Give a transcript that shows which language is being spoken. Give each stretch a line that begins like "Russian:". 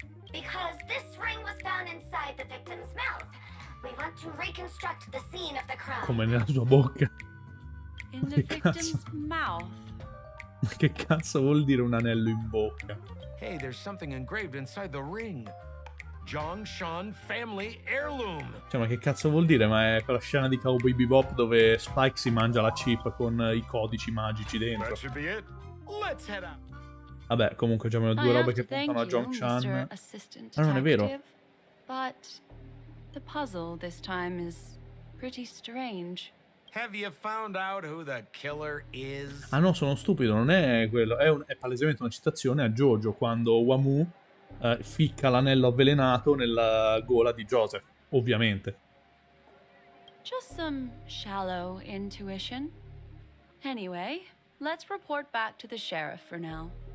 English: Because this ring was found inside the victim's mouth. We want to reconstruct the scene of the crime.
Italian: Come nella sua bocca.
English: In the victim's mouth.
Italian: Ma che cazzo vuol dire un anello in bocca?
English: Hey, there's something engraved inside the ring. Zhong Shan Family Heirloom.
Italian: Cioè, ma che cazzo vuol dire? Ma è quella scena di Cowboy Bebop dove Spike si mangia la chip con i codici magici dentro.
English: That should be it. Let's head up.
Italian: Vabbè, comunque già meno due robe che puntano a Zhong Shan. Ma non è vero.
English: But the puzzle this time is pretty strange. Have you found out who the killer is?
Italian: Ah no, sono stupido, non è quello. È palesemente una citazione a Jojo quando Wamuu ficca l'anello avvelenato nella gola di Joseph, ovviamente.
English: Just some shallow intuition. Anyway, let's report back to the sheriff for now.